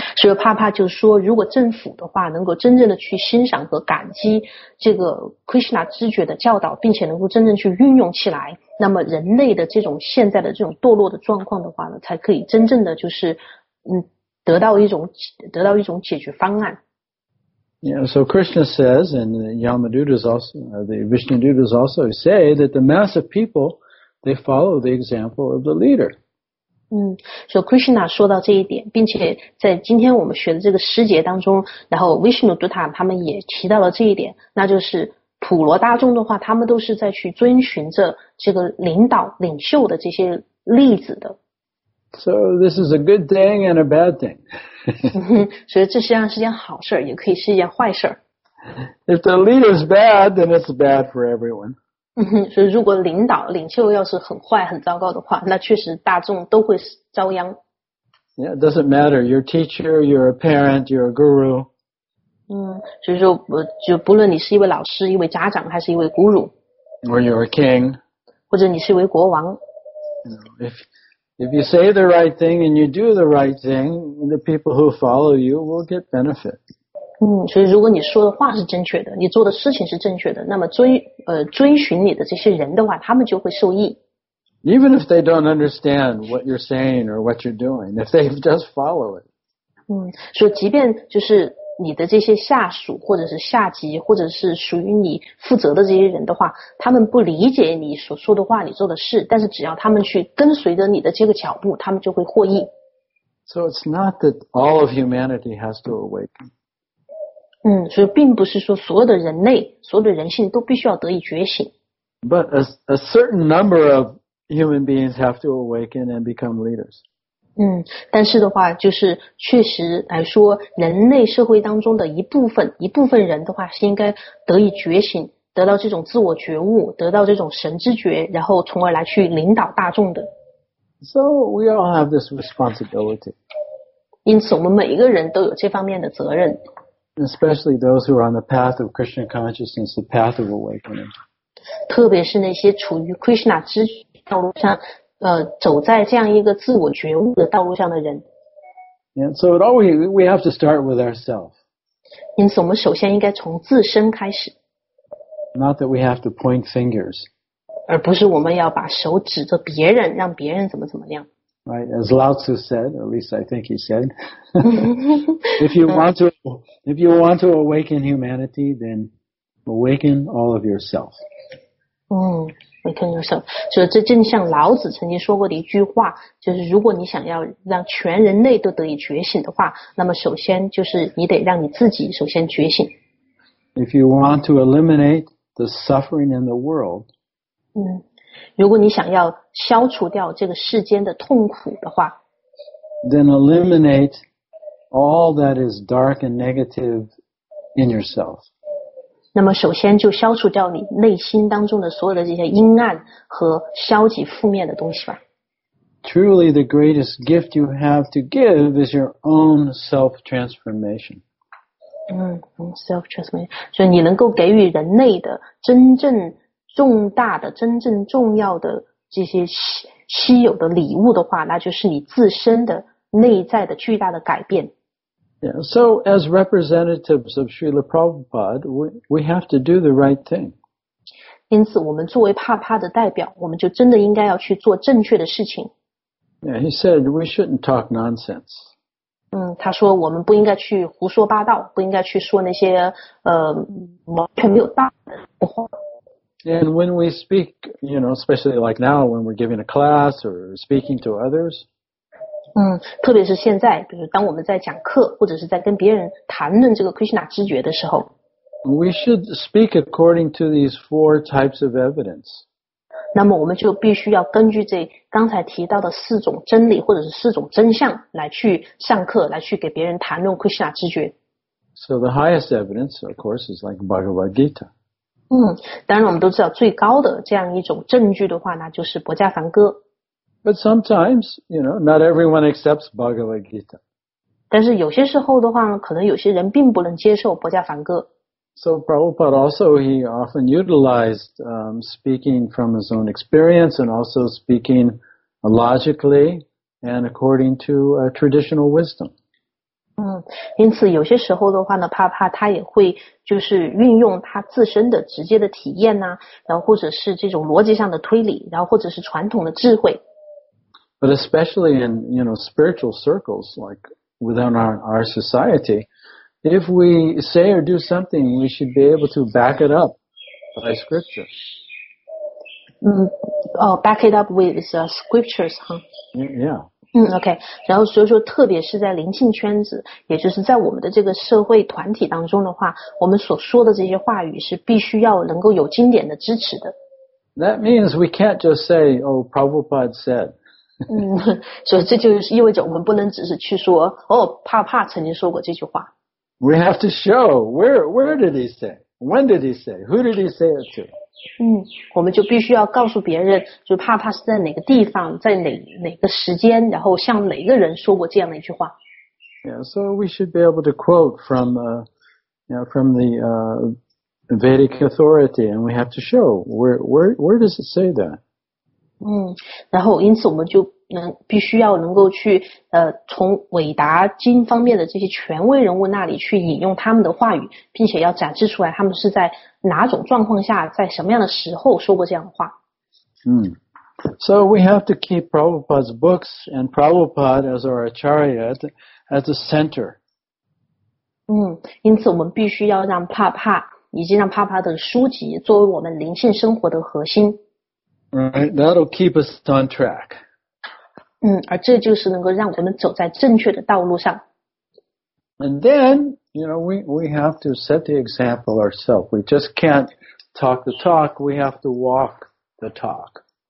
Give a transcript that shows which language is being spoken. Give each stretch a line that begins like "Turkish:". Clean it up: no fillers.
Chinese: 所以帕帕就说，如果政府的话能够真正的去欣赏和感激这个 Krishna 知觉的教导，并且能够真正去运用起来，那么人类的这种现在的这种堕落的状况的话呢，才可以真正的就是得到一种解决方案。
English: Yeah, so Krishna says, and Yamadutas also, the Vishnudutas also say that the mass of people they follow the example of the leader.
Chinese: 嗯，所以 Krishna 说到这一点，并且在今天我们学的这个师节当中，然后 Vishnuduta 他们也提到了这一点，那就是普罗大众的话，他们都是在去遵循着这个领袖的这些例子的。
English: So this is a good thing and a bad thing.
Chinese: 所以这实际上是件好事，也可以是一件坏事。
English: If the leader is bad, then it's bad for everyone.
Chinese: 所以如果领袖要是很坏、很糟糕的话，那确实大众都会遭殃。
English: Yeah, it doesn't matter. You're a teacher, you're a parent, you're a guru.
Chinese: 嗯，所以就不论你是一位老师、一位家长，还是一位 guru，
English: or you're a king，
Chinese: 或者你是一位国王。
English: If you say the right thing and you do the right thing, the people who follow you will get benefit.
Chinese: 嗯，所以如果你说的话是正确的，你做的事情是正确的，那么追寻你的这些人的话，他们就会受益。
English: Even if they don't understand what you're saying or what you're doing, if they just follow it.
Chinese: 嗯，所以即便就是你的这些下属或者是下级或者是属于你负责的这些人的话，他们不理解你所说的话、你做的事，但是只要他们去跟随着你的这个脚步，他们就会获益。
English: So it's not that all of humanity has to awaken.
Chinese: 嗯，所以并不是说所有的人类、所有的人性都必须要得以觉醒。
English: But a certain number of human beings have to awaken and become leaders.
Chinese: 嗯，但是的话，就是确实来说，人类社会当中的一部分人的话，是应该得以觉醒，得到这种自我觉悟，得到这种神知觉，然后从而来去领导大众的。
English: So we all have this responsibility.
Chinese: 因此，我们每一个人都有这方面的责任。
English: Especially those who are on the path of Krishna consciousness, the path of awakening.
Chinese: 特别是那些处于 Krishna 知觉道路上。走在这样一个自我觉悟的道路上的人。
English: Yeah, so it always we have to start with ourselves.
Chinese: 因此我们首先应该从自身开始。
English: Not that we have to point fingers.
Chinese: 而不是我们要把手指着别人，让别人怎么怎么样。
English: Right, as Lao Tzu said, at least I think he said, if you want to awaken humanity, then awaken all of yourself. 嗯。Awaken yourself.
Chinese: 所以这正像老子曾经说过的一句话，就是如果你想要让全人类都得以觉醒的话，那么首先就是你得让你自己首先觉醒。
English: If you want to eliminate the suffering in the world,
Chinese: 嗯，如果你想要消除掉这个世间的痛苦的话
English: ，then eliminate all that is dark and negative in yourself.
Chinese: 那么首先就消除掉你内心当中的所有的这些阴暗和消极负面的东西吧。
English: Truly, the greatest gift you have to give is your own self-transformation.
Chinese: 嗯 ，
English: self-transformation，
Chinese: 所以你能够给予人类的真正重大的、真正重要的这些稀有的礼物的话，那就是你自身的内在的巨大的改变。
English: Yeah, so as representatives of Srila Prabhupada, we have to do the right thing.
Chinese: 因此，我们作为帕帕的代表，我们就真的应该要去做正确的事情。
English: Yeah, he said we shouldn't talk nonsense.
Chinese: 他说我们不应该去胡说八道，不应该去说那些完全没有道理的话。
English: And when we speak, you know, especially like now when we're giving a class or speaking to others.
Chinese: 特别是现在，比如当我们在讲课或者是在跟别人谈论这个 Krishna 知觉的时候。
English: We should speak according to these four types of evidence.
Chinese: 那么我们就必须要根据这刚才提到的四种真理或者是四种真相来去上课，来去给别人谈论 Krishna 知觉。
English: So the highest evidence, of course, is like Bhagavad Gita.
Chinese: 当然我们都知道最高的这样一种证据的话呢，就是博迦梵歌。
English: But sometimes, you know, not everyone accepts Bhagavad Gita.
Chinese: 但是有些时候的话，可能有些人并不能接受博迦梵歌。
English: So Prabhupada also, he often utilized speaking from his own experience and also speaking logically and according to traditional wisdom.
Chinese: 因此有些时候的话呢，帕帕他也会就是运用他自身的直接的体验啊，然后或者是这种逻辑上的推理，然后或者是传统的智慧。
English: But especially in, you know, spiritual circles, like within our society, if we say or do something, we should be able to back it up by scripture. Back it up with scriptures, huh? Yeah.
Chinese: OK, 然后所以说特别是在灵性圈子，也就是在我们的这个社会团体当中的话，我们所说的这些话语是必须要能够有经典的支持的。
English: That means we can't just say, oh, Prabhupada said.
Chinese: 所以这就是意味着我们不能只是去说哦，帕帕曾经说过这句话。
English: We have to show where did he say, when did he say, who did he say it to.
Chinese: 我们就必须要告诉别人，就帕帕是在哪个地方，在哪个时间，然后向哪个人说过这样的一句话。
English: Yeah, so we should be able to quote from, you know, from the Vedic authority, and we have to show where does it say that.
Chinese: 然后因此我们就必须要能够去从韦达经方面的这些权威人物那里去引用他们的话语，并且要展示出来他们是在哪种状况下，在什么样的时候说过这样的话。
English: So we have to keep Prabhupada's books and Prabhupada as our acharya as the center.
Chinese: 因此我们必须要让帕帕以及让帕帕的书籍作为我们灵性生活的核心。
English: Right, that'll keep us on track.
Chinese: 而这就是能够让我们走在正确的道路上。
English: And then, you know, we have to set the example ourselves. We just can't talk the talk, we have to walk the talk.